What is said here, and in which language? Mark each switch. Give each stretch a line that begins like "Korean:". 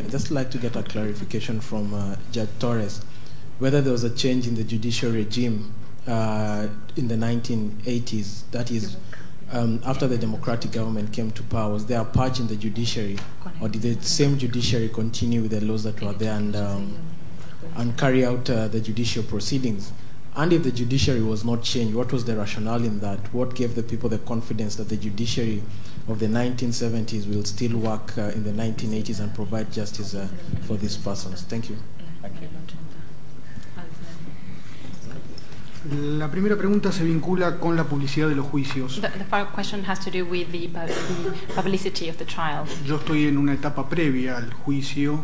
English: I'd just like to get a clarification from Judge Torres, whether there was a change in the judicial regime in the 1980s, that is, after the democratic government came to power, was there a purge in the judiciary, or did the same judiciary continue with the laws that were there and carry out the judicial proceedings? And if the judiciary was not changed, what was the rationale in that? What gave the people the confidence that the judiciary of the 1970s will still work in the 1980s and provide justice for these persons? Thank you. Thank you.
Spanish: La primera pregunta se vincula con la publicidad de los juicios.
English: The first question has to do with the publicity of the trial.
Spanish: Yo estoy en una etapa previa al juicio.